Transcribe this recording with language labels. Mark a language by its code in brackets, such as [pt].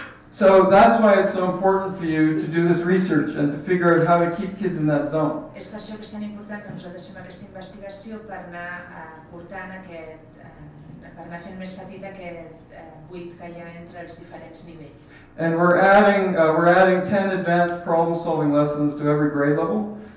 [en] So that's why it's so important for you to do this research and to figure out how to keep kids in that zone. [ca] És per això que és tan important que nosaltres fem aquesta investigació per anar portant per anar fent més petit aquest buit que hi ha entre els diferents nivells. [en] And we're adding 10 advanced problem solving lessons to every grade level.